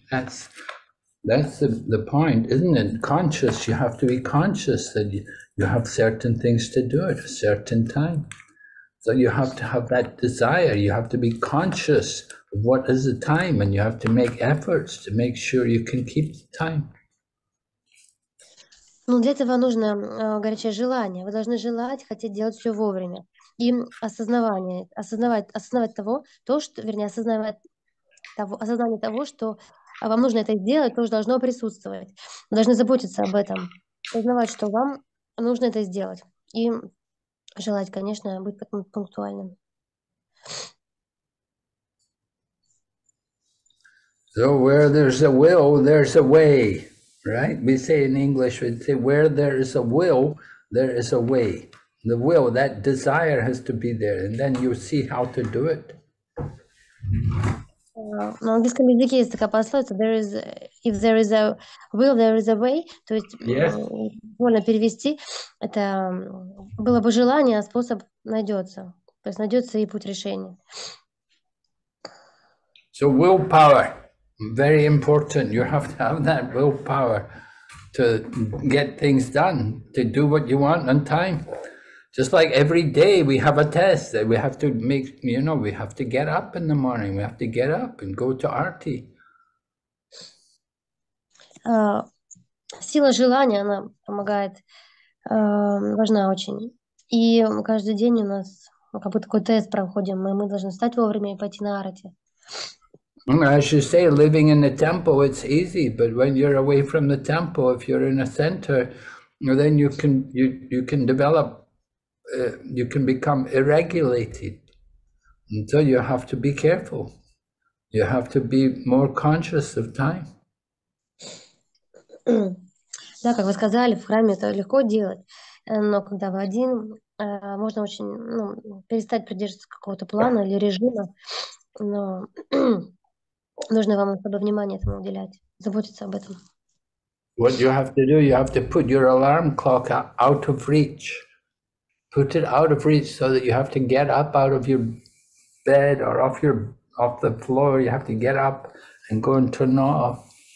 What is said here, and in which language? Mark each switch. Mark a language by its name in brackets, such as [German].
[English] That's the point, isn't it? Conscious, you have to be conscious that you have certain things to do at a certain time. So you have to have that desire. You have to be conscious of what is the time, and you have to make efforts to make sure you can keep the time. [Russian] Ну, для этого нужно горячее желание. Вы должны желать, хотеть делать все вовремя. И осознавание, осознавать того, что вам нужно это сделать, тоже должно присутствовать. Вы должны заботиться об этом, осознавать, что вам нужно это сделать. И желать, конечно, быть пунктуальным. [English] So where there's a will, there's a way. Right? We say in English, we say, where there is a will, there is a way. The will, that desire has to be there, and then you see how to do it. [Russian] На английском языке есть такая пословица, [English] if there is a will, there is a way. [Russian] То есть, можно перевести, это было бы желание, а способ найдется. То есть, найдется и путь решения. [English] So, willpower. Very important. You have to have that willpower to get things done, to do what you want on time. Just like every day we have a test that we have to make, you know, we have to get up in the morning. We have to get up and go to arti. [Russian] Сила желания, она помогает, важна очень. И каждый день у нас как будто такой тест проходим, и мы должны встать вовремя и пойти на арти. [English] As you say, living in the temple, it's easy, but when you're away from the temple, if you're in a center, then you can become irregulated. And so you have to be careful. You have to be more conscious of time. [Russian] Да, как вы сказали, в храме это легко делать, но когда вы один, можно очень, ну, перестать придерживаться какого-то плана или режима, но нужно вам особое внимание этому уделять, заботиться об этом. [English] What you have to do, you have to put your alarm clock out of reach. Put it out of reach so that you have to get up out of your bed or off the floor. You have to get up and go and turn off.